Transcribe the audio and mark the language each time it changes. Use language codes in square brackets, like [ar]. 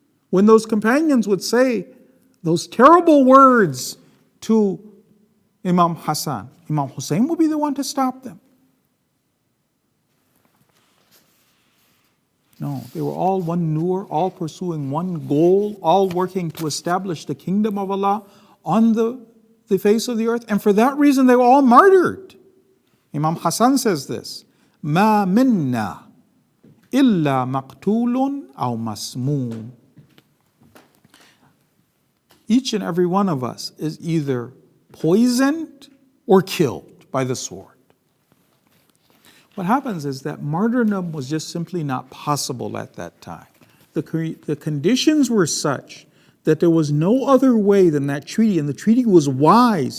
[en] When those companions would say those terrible words to Imam Hassan, Imam Hussein would be the one to stop them. No, they were all one nur, all pursuing one goal, all working to establish the kingdom of Allah on the face of the earth. And for that reason, they were all martyred. Imam Hassan says this, [ar] مَا مِنَّا إِلَّا مَقْتُولٌ أَوْ مَسْمُومٌ. [en] Each and every one of us is either poisoned or killed by the sword. What happens is that martyrdom was just simply not possible at that time. The conditions were such that there was no other way than that treaty, and the treaty was wise.